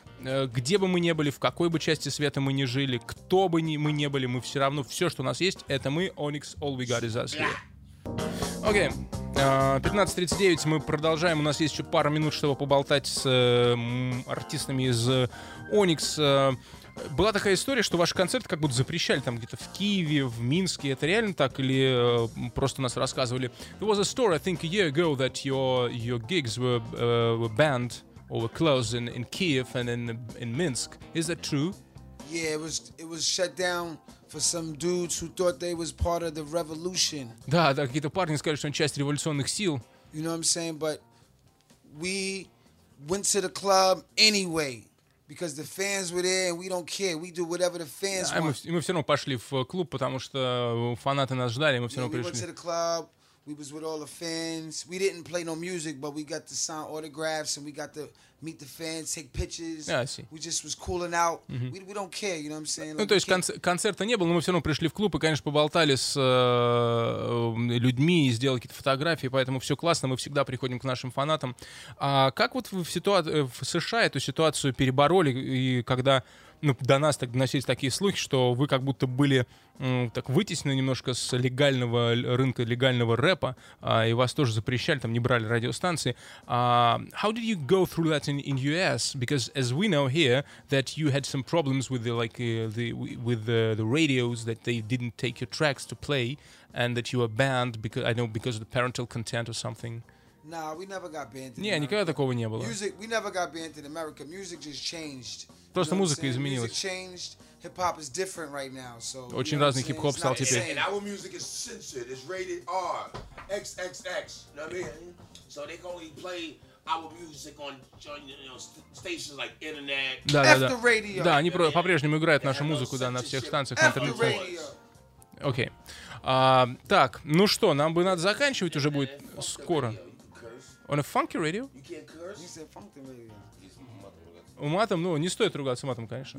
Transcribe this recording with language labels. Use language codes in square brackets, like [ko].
[ru] Где бы мы ни были, в какой бы части света мы ни жили, кто бы мы ни были, мы все равно, все, что у нас есть, это мы. Onyx, [en] all we got is us. [ru] Окей. [en] Yeah. Okay. [ru] 15.39, мы продолжаем. У нас есть еще пара минут, чтобы поболтать с артистами из Onyx. Была такая история, что ваш концерт как будто запрещали там где-то в Киеве, в Минске. Это реально так или просто нас рассказывали? [en] There was a story, I think, a year ago that your gigs were banned or were closed in Kiev and in Minsk. Is that true? Yeah, it was shut down for some dudes who thought they was part of the revolution. [ru] Да, да, какие-то парни сказали, что они часть революционных сил. [en] You know what I'm saying? But we went to the club anyway. Because the fans were there and we don't care. We do whatever the fans want. [ru] Мы все равно пошли в клуб, потому что фанаты нас ждали, мы все равно пришли. [en] We went to the club, we was with all the fans. We didn't play no music, but we got to sign autographs and we got to meet the fans, take pictures. Yeah, I see. We just was cooling out. Mm-hmm. We don't care, you know what I'm saying? [ru] Like, ну, то есть концерта не было, но мы все равно пришли в клуб и, конечно, поболтали с людьми и сделали какие-то фотографии, поэтому все классно, мы всегда приходим к нашим фанатам. А как вот вы в США эту ситуацию перебороли, и когда... Ну, до нас так доносились такие слухи, что вы как будто были так вытеснены немножко с легального рынка, легального рэпа, и вас тоже запрещали, там не брали радиостанции. [en] How did you go through that in US? Because as we know here, that you had some problems with the radios, that they didn't take your tracks to play, and that you were banned because of the parental content or something. Nah, we never got banned in America. [ru] Не, никогда такого не было. [en] Music, we never got banned in America. Music just changed. [ru] Просто музыка изменилась. [en] Music changed. Hip-hop is different right now, so. [ru] Очень разный хип-хоп стал теперь. [en] And our music is censored. It's rated R, XXX. You know what I mean? So they can only play our music on, you know, stations like internet. [ru] Да, F да, да. [en] The radio. [ru] Да, они по-прежнему играют нашу музыку, да, на всех станциях, F интернете. Окей. Так, ну что, нам бы надо заканчивать, уже будет скоро. [en] On a funky radio? You can't curse? He said funky radio. [ru] Матом, ну, не стоит ругаться матом, конечно.